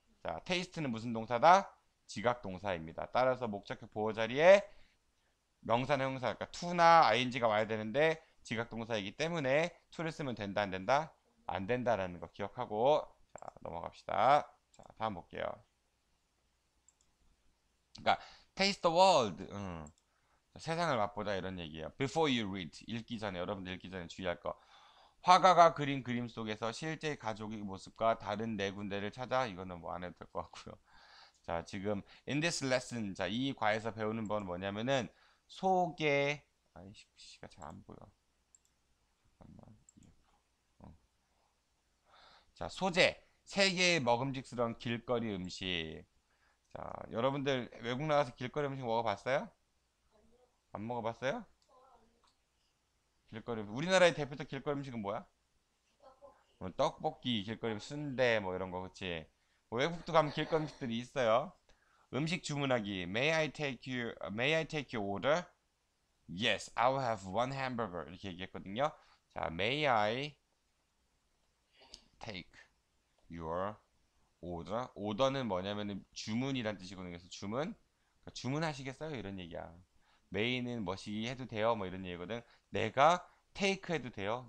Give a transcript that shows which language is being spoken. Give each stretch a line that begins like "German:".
Korean: 자, 테이스트는 무슨 동사다? 지각 동사입니다. 따라서 목적격 보어 자리에 명사나 형사, 그러니까 to나 ing가 와야 되는데 지각 동사이기 때문에 to를 쓰면 된다, 안 된다? 안 된다라는 거 기억하고, 자, 넘어갑시다. 자, 다음 볼게요. 그러니까,
English: taste the world.
Korean: 세상을 맛보자 이런 얘기예요.
English: Before you read.
Korean: 읽기 전에, 여러분들 읽기 전에 주의할 거. 화가가 그린 그림 속에서 실제 가족의 모습과 다른 네 군데를 찾아. 이거는 뭐안 해도 될것 같고요. 자, 지금,
English: in this lesson.
Korean: 자, 이 과에서 배우는 건 뭐냐면은, 소개. 아이씨, 씨가 잘안 보여. 자, 소재. 세계의 먹음직스러운 길거리 음식. 자, 여러분들 외국 나가서 길거리 음식 먹어봤어요? 안 먹어봤어요? 길거리 음식. 우리나라의 대표적 길거리 음식은 뭐야? 떡볶이, 길거리 순대, 뭐 이런 거, 그치? 뭐 외국도 가면 길거리 음식들이 있어요. 음식 주문하기.
English: May I take your order? Yes, I will have one hamburger.
Korean: 이렇게 얘기했거든요. 자,
English: may I take your order.
Korean: order는 뭐냐면은 주문이란 뜻이거든요. 그래서 주문, 주문하시겠어요? 이런 얘기야. 메인은 뭐시기 해도 돼요? 뭐 이런 얘기거든. 내가 테이크 해도 돼요?